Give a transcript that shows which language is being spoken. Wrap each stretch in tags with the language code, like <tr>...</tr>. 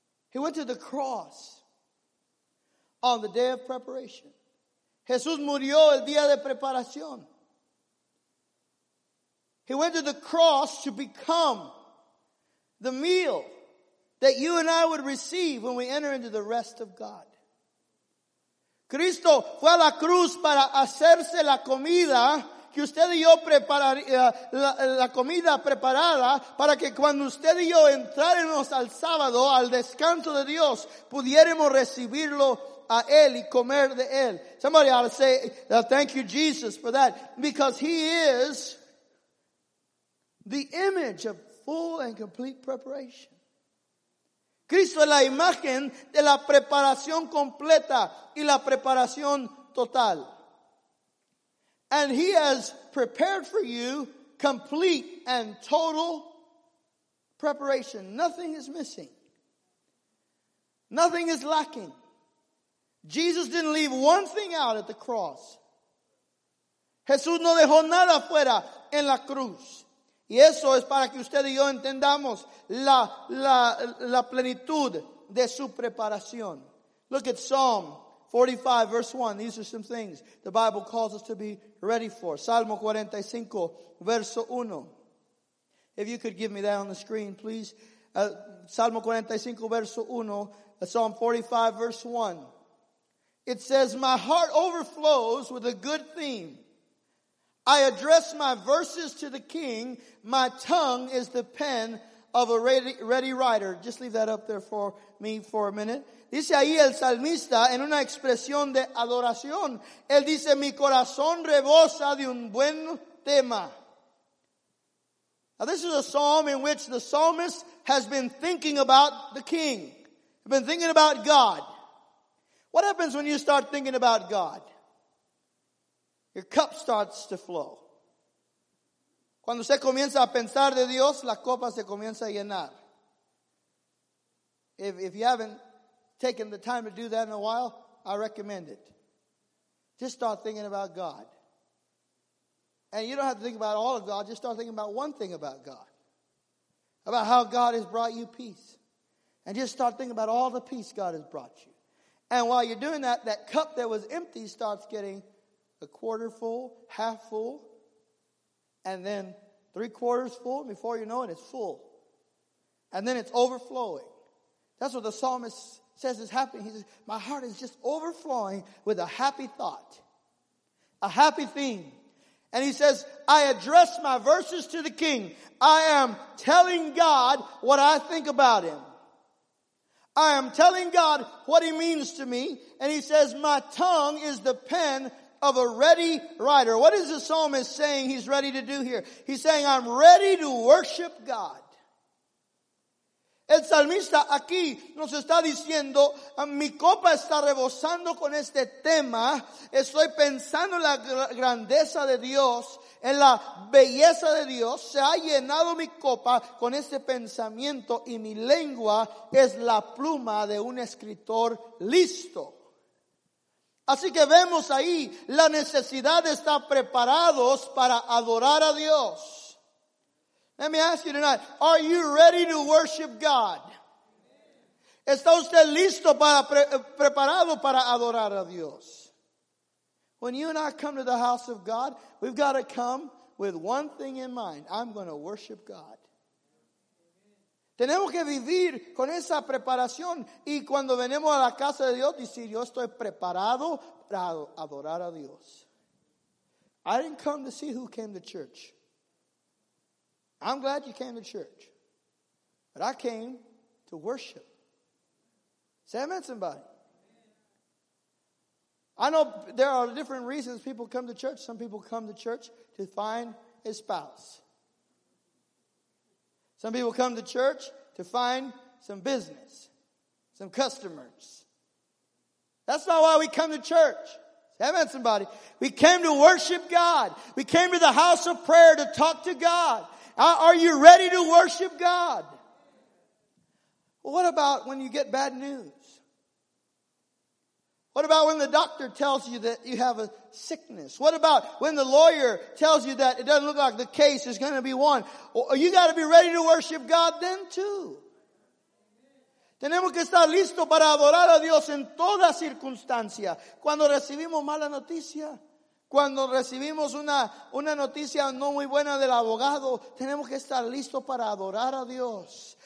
<en>He went to the cross. On the day of preparation.</en> <es>Jesús murió el día de preparación.</es> <en>He went to the cross to become the meal that you and I would receive when we enter into the rest of God.</en> <es>Cristo fue a la cruz para hacerse la comida que usted y yo prepararía, la comida preparada para que cuando usted y yo entráramos al sábado, al descanso de Dios, pudiéramos recibirlo a él y comer de él.</es> <en>Somebody ought to say thank you Jesus for that, because he is the image of full and complete preparation.</en> <es>Cristo es la imagen de la preparación completa y la preparación total.</es> <en>And he has prepared for you complete and total preparation. Nothing is missing. Nothing is lacking. Jesus didn't leave one thing out at the cross.</en> <es>Jesús no dejó nada fuera en la cruz. Y eso es para que usted y yo entendamos la plenitud de su preparación.</es> <en>Look at Psalm 45, verse 1. These are some things the Bible calls us to be ready for.</en> <es>Salmo 45, verso 1.</es> <en>If you could give me that on the screen, please.</en> <es>Salmo 45, verso 1.</es> <en>Psalm 45, verse 1. It says, my heart overflows with a good theme. I address my verses to the king. My tongue is the pen of a ready writer. Just leave that up there for me for a minute.</en> <es>Dice ahí el salmista en una expresión de adoración. Él dice, mi corazón rebosa de un buen tema.</es> <en>Now this is a psalm in which the psalmist has been thinking about the king. Been thinking about God. What happens when you start thinking about God? Your cup starts to flow. Cuando usted comienza a pensar de Dios, la copa se comienza a llenar. If you haven't taken the time to do that in a while, I recommend it. Just start thinking about God. And you don't have to think about all of God. Just start thinking about one thing about God. About how God has brought you peace. And just start thinking about all the peace God has brought you. And while you're doing that, that cup that was empty starts getting a quarter full, half full, and then three quarters full. Before you know it, it's full. And then it's overflowing. That's what the psalmist says is happening. He says, my heart is just overflowing with a happy thought, a happy theme. And he says, I address my verses to the king. I am telling God what I think about him. I am telling God what he means to me. And he says, my tongue is the pen of a ready writer. What is the psalmist saying he's ready to do here? He's saying, I'm ready to worship God.</en> <es>El salmista aquí nos está diciendo, mi copa está rebosando con este tema, estoy pensando en la grandeza de Dios, en la belleza de Dios, se ha llenado mi copa con este pensamiento y mi lengua es la pluma de un escritor listo. Así que vemos ahí la necesidad de estar preparados para adorar a Dios.</es> <en>Let me ask you tonight, are you ready to worship God?</en> <es>¿Está usted listo para preparado para adorar a Dios?</es> <en>When you and I come to the house of God, we've got to come with one thing in mind. I'm going to worship God. Tenemos que vivir con esa preparación y cuando venimos a la casa de Dios, decir, yo estoy preparado para adorar a Dios. I didn't come to see who came to church. I'm glad you came to church. But I came to worship. Say amen, somebody. I know there are different reasons people come to church. Some people come to church to find a spouse. Some people come to church to find some business, some customers. That's not why we come to church. Say amen, somebody. We came to worship God. We came to the house of prayer to talk to God. Are you ready to worship God? Well, what about when you get bad news? What about when the doctor tells you that you have a sickness? What about when the lawyer tells you that it doesn't look like the case is going to be won? Well, you got to be ready to worship God then too.</en> <es>Tenemos que estar listos para adorar a Dios en toda circunstancia. Cuando recibimos mala noticia. Cuando recibimos una noticia no muy buena del abogado, tenemos que estar listos para adorar a Dios.</es>